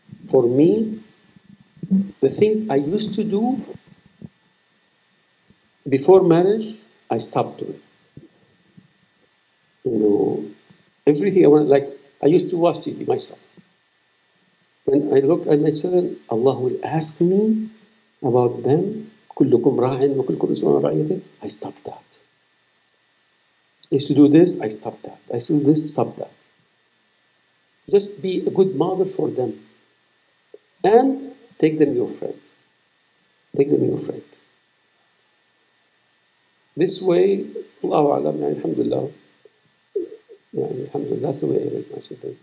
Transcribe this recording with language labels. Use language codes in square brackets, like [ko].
[en] For me, the thing I used to do before marriage, I stopped doing. You know, everything I want, like I used to watch TV myself. When I look at my children, Allah will ask me about them. [ar] كلكم راعٍ وكلكم مسؤول عن رعيته. [en] I stopped that. I used to do this, I stopped that. I used to do this, stop that. Just be a good mother for them. And take them your friend. Take them your friend. This way, Allahu A'lam, Alhamdulillah, that's the way I raise my children.